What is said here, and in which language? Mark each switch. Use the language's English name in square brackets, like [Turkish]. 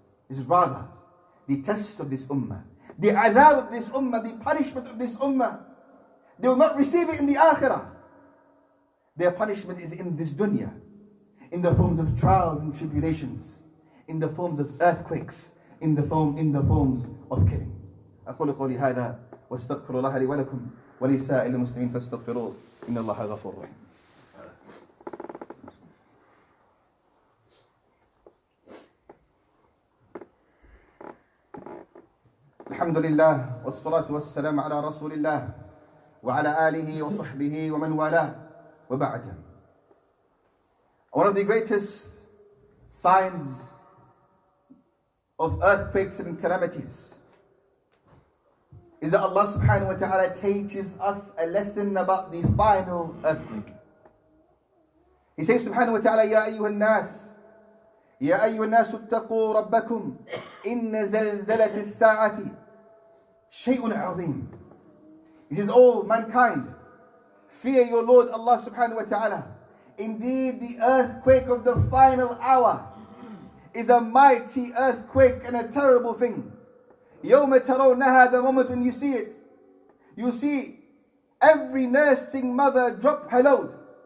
[English] Is rather the test of this ummah, the adab of this ummah, the punishment of this ummah. They will not receive it in the akhirah. Their punishment is in this dunya, in the forms of trials and tribulations, in the forms of earthquakes, in the forms of killing. [Arabic] أقول قولي هذا واستغفر الله لي ولكم ولسائر المسلمين فاستغفروا إن الله غفور رحيم. الحمد لله والصلاة والسلام على رسول الله وعلى آله وصحبه ومن والاه وبعد. [English] One of the greatest signs of earthquakes and calamities is that Allah subhanahu wa ta'ala teaches us a lesson about the final earthquake. He says subhanahu wa ta'ala, [Arabic] يا أيها الناس اتقوا ربكم إن زلزلة الساعة شَيْءٌ عَظِيمٌ. [English] It is, all mankind, fear your Lord Allah subhanahu wa ta'ala. Indeed, the earthquake of the final hour is a mighty earthquake and a terrible thing. [Arabic] يَوْمَ تَرَوْنَهَا, [English] the moment when you see it, you see every nursing mother drop her load.